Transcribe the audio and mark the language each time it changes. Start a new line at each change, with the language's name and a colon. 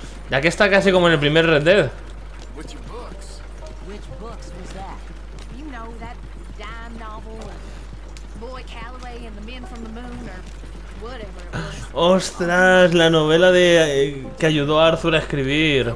Spanish: Ya que está casi como en el primer Red Dead.
English: With your books. Which books was that? You know, that dime novel and Boy Calloway and the Men from the Moon or whatever it was.
Spanish: Ostras, la novela de que ayudó a Arthur a escribir.